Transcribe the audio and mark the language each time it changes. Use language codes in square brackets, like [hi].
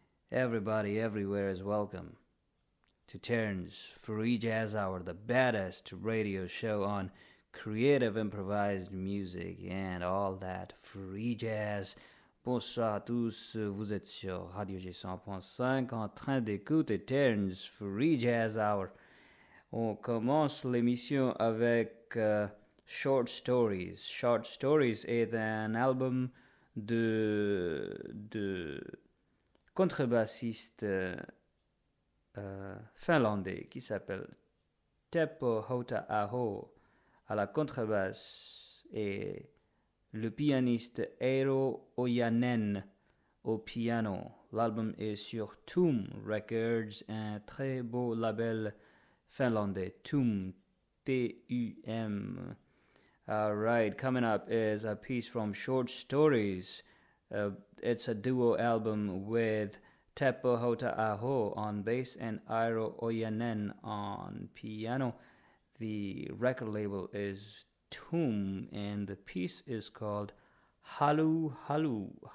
[en] Everybody everywhere is welcome to Terrence Free Jazz Hour, the baddest radio show on creative improvised music and all that free jazz. [fr] Bonsoir à tous, vous êtes sur Radio G100.5 en train d'écouter Terrence Free Jazz Hour. On commence l'émission avec Short Stories. Short Stories est un album de contrebassiste finlandais qui s'appelle Teppo Hauta-Aho à la contrebasse et le pianiste Eero Ojanen au piano. L'album est sur Tum Records, un très beau label finlandais, Tum, T-U-M. [en] Alright, coming up is a piece from Short Stories. It's a duo album with Teppo Hauta-Aho on bass and Eero Ojanen on piano. The record label is Tum, and the piece is called Halu Halu.